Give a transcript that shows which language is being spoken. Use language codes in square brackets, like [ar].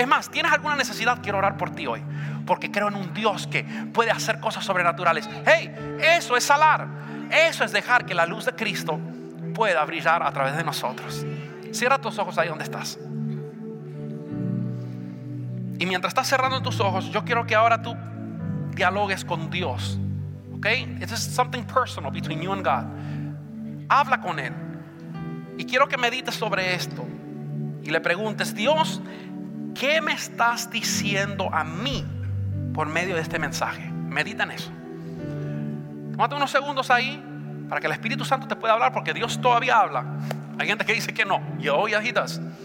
[es] Es más, ¿tienes alguna necesidad? Quiero orar por ti hoy porque creo en un Dios que puede hacer cosas sobrenaturales. Hey, eso es salar. Eso es dejar que la luz de Cristo pueda brillar a través de nosotros. Cierra tus ojos ahí donde estás. Y mientras estás cerrando tus ojos, yo quiero que ahora tú dialogues con Dios. [en] Ok, this is something personal between you and God. [es] Habla con Él. Y quiero que medites sobre esto y le preguntes: Dios, ¿qué me estás diciendo a mí por medio de este mensaje? Medita en eso. Tómate unos segundos ahí para que el Espíritu Santo te pueda hablar, porque Dios todavía habla. Hay gente que dice que no. Yo, [en] yeah, He does.